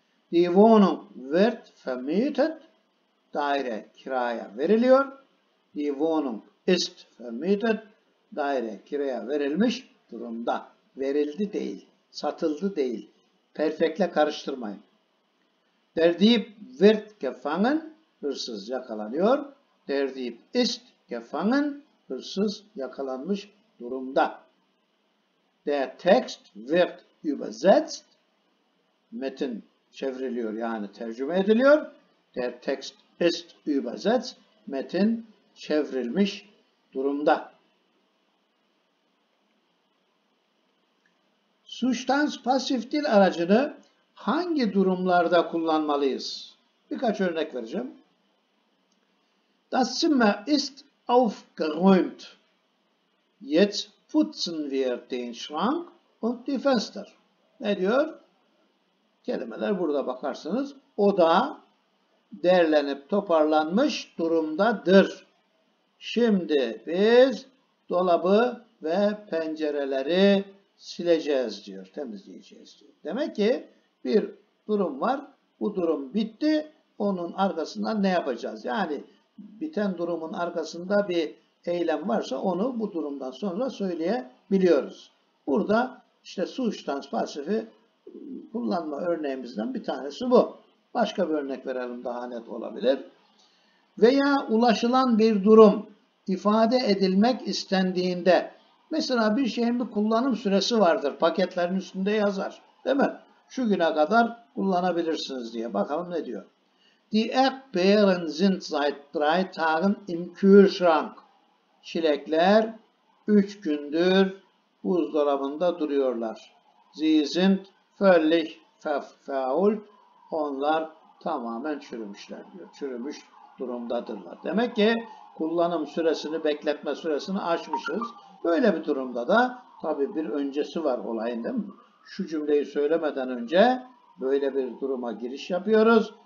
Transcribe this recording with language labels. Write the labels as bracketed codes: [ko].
[de] Die Wohnung wird vermietet, [tr] daire kiraya veriliyor. [de] Die Wohnung ist vermietet, [tr] daire kiraya verilmiş durumda. Verildi değil, satıldı değil. Perfektle karıştırmayın. [de] Der Dieb wird gefangen, [tr] hırsız yakalanıyor. [de] Der Dieb ist gefangen, [tr] hırsız yakalanmış durumda. [de] Der Text wird übersetzt, [tr] metin çevriliyor yani tercüme ediliyor. [de] Der Text ist übersetzt, [tr] metin çevrilmiş durumda. Substantiv pasif dil aracını hangi durumlarda kullanmalıyız? Birkaç örnek vereceğim. [de] Das Zimmer ist aufgeräumt. Jetzt putzen wir den Schrank und die Fenster. [tr] Ne diyor? Kelimeler burada bakarsanız oda derlenip toparlanmış durumdadır. Şimdi biz dolabı ve pencereleri sileceğiz diyor, temizleyeceğiz diyor. Demek ki bir durum var, bu durum bitti, onun arkasından ne yapacağız? Yani biten durumun arkasında bir eylem varsa onu bu durumdan sonra söyleyebiliyoruz. Burada işte substantiv pasifi kullanma örneğimizden bir tanesi bu. Başka bir örnek verelim daha net olabilir. Veya ulaşılan bir durum ifade edilmek istendiğinde, mesela bir şeyin bir kullanım süresi vardır, paketlerin üstünde yazar, değil mi? Şu güne kadar kullanabilirsiniz diye. Bakalım ne diyor. [de] Die Erdbeeren sind seit drei Tagen im Kühlschrank. [tr] Çilekler 3 gündür buzdolabında duruyorlar. [de] Sie sind völlig verfault. [tr] Onlar tamamen çürümüşler diyor. Çürümüş durumdadırlar. Demek ki kullanım süresini, bekletme süresini açmışız. Böyle bir durumda da tabii bir öncesi var olayın, değil mi? Şu cümleyi söylemeden önce böyle bir duruma giriş yapıyoruz.